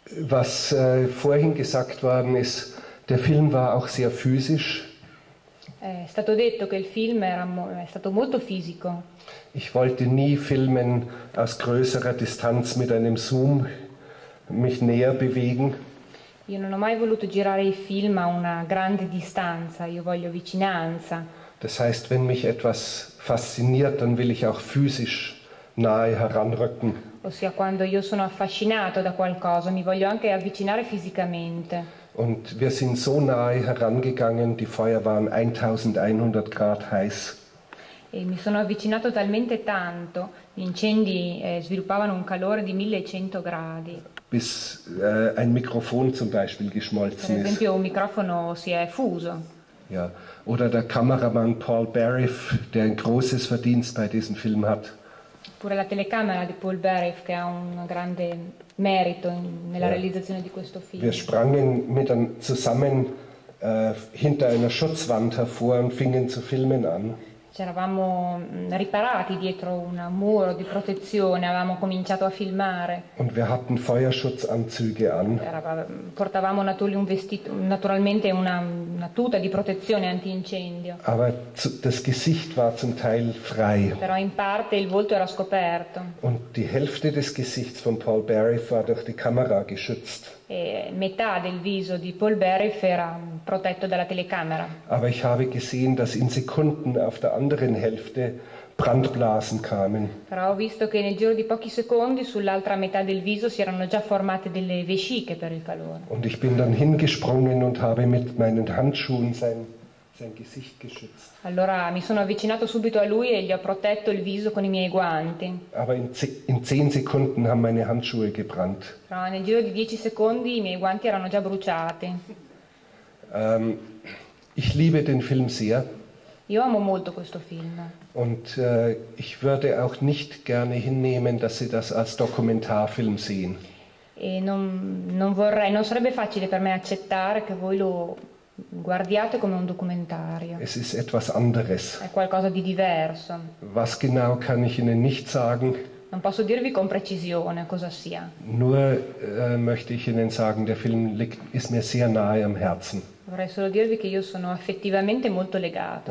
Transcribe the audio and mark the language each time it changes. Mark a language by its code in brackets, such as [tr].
[de] Was vorhin gesagt worden ist, der Film war auch sehr physisch. [it] È stato detto che il film era è stato molto fisico. [de] Ich wollte nie filmen aus größerer Distanz mit einem Zoom mich näher bewegen. [it] Io non ho mai voluto girare i film a una grande distanza, io voglio vicinanza. [de] Das heißt, wenn mich etwas fasziniert, dann will ich auch physisch nahe heranrücken. [it] Ossia, quando io sono affascinato da qualcosa, mi voglio anche avvicinare fisicamente. [de] Und wir sind so nahe herangegangen, die Feuer waren 1100 Grad heiß. [it] E mi sono avvicinato talmente tanto, gli incendi sviluppavano un calore di 1100 gradi. [de] Bis ein Mikrofon zum Beispiel geschmolzen ist. [it] Per esempio, un microfono si è fuso. [de] Ja. Oder der Kameramann Paul Barriff, der ein großes Verdienst bei diesem Film hat. [it] Pure la telecamera di Paul Barriff, che ha un grande merito nella realizzazione di questo film. [de] Wir sprangen zusammen hinter einer Schutzwand hervor und fingen zu filmen an. [it] C'eravamo riparati dietro un muro di protezione, avevamo cominciato a filmare. [de] Und wir hatten Feuerschutzanzüge an. [it] Portavamo naturalmente una tuta di protezione antincendio. [de] Aber das Gesicht war zum Teil frei. [it] Però in parte il volto era scoperto. [de] Und die Hälfte des Gesichts von Paul Barriff war durch die Kamera geschützt. [it] E metà del viso di Paul Barriff era protetto dalla telecamera. [de] Aber ich habe gesehen, dass in Sekunden auf der anderen Hälfte Brandblasen kamen. [it] Però ho visto che nel giro di pochi secondi sull'altra metà del viso si erano già formate delle vesciche per il calore. [de] Und ich bin dann hingesprungen und habe mit meinen Handschuhen sein Gesicht geschützt. [it] Allora mi sono avvicinato subito a lui e gli ho protetto il viso con i miei guanti. [de] Aber in 10 Sekunden haben meine Handschuhe gebrannt. [it] Però nel giro di 10 secondi i miei guanti erano già bruciati. [de] Ich liebe den Film sehr. [it] Io amo molto questo film. [de] Und ich würde auch nicht gerne hinnehmen, dass Sie das als Dokumentarfilm sehen. [it] E non sarebbe facile per me accettare che voi lo guardiate come un documentario. [de] Es ist etwas anderes. [it] È qualcosa di diverso. [de] Was genau kann ich Ihnen nicht sagen? [it] Non posso dirvi con precisione cosa sia. [de] Nur möchte ich Ihnen sagen, der Film ist mir sehr nahe am Herzen. [it] Vorrei solo dirvi che io sono effettivamente molto legato.